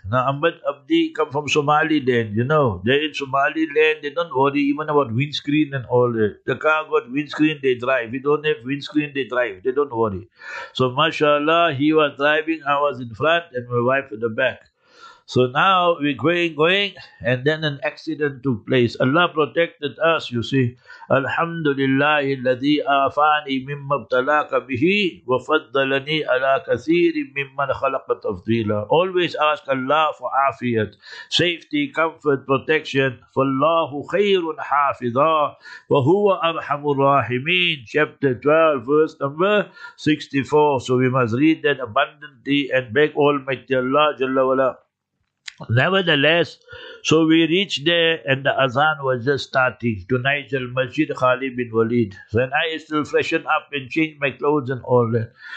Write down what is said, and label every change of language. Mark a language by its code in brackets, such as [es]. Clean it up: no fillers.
[en] Now Ahmad Abdi come from Somaliland, you know. They're in Somaliland, they don't worry even about windscreen and all that. The car got windscreen, they drive. We don't have windscreen, they drive. They don't worry. So mashallah, he was driving, I was in front and my wife at the back. So now we're going, and then an accident took place. Allah protected us, you see. [ar] Alhamdulillah, الذي آفاني مما ابتلاك به وفضلني على كثير ممن خلق تفضيلا. [en] Always ask Allah for afiyat, safety, comfort, protection. [ar] فالله خير حافظا وهو أرحم الراحمين. [en] Chapter 12, verse number 64. So we must read that abundantly and beg Almighty Allah, Jalla Wala, Nevertheless, so we reached there and the Azan was just starting to Nigel Masjid Khalid bin Walid. When I still freshen up and change my clothes and all that.